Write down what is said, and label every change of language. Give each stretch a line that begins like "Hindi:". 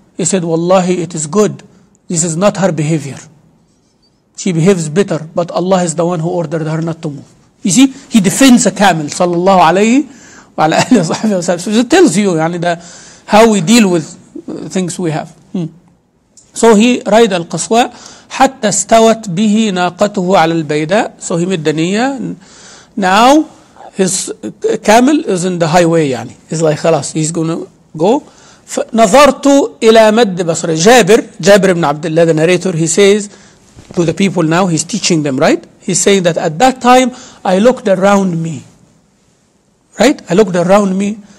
English: He said, wallahi, it is good. This is not her behavior. She behaves better, but Allah is the one who ordered her not to move. You see, he defends a camel, sallallahu alayhi wa alayhi wa sallam. So it tells you, yani, how we deal with things we have. So he ride
Arabic: al-Qaswa, حتى استوت به ناقته على البيداء.
English: So he made the niyyah. Now his camel is in the highway, يعني. He's like, خلاص, he's gonna go.
Arabic: نظرت إلى مد بصر.
English: Jabir ibn Abdullah, the narrator, he says to the people now, he's teaching them, right? He's saying that at that time, I looked around me. Right? I looked around me.